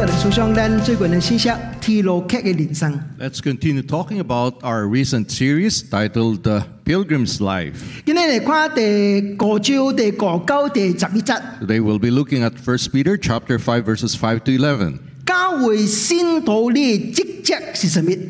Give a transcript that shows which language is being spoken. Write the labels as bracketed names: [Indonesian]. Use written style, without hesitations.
[Chinese] 上咱最近的信息《提罗客的人生》。 [English] Let's continue talking about our recent series titled "The Pilgrim's Life." [Chinese] 今天来看第五章第五到第十一节。 [English] Today we'll be looking at 1 Peter chapter 5 verses 5 to 11. [Chinese] 教会信徒的职责是什么？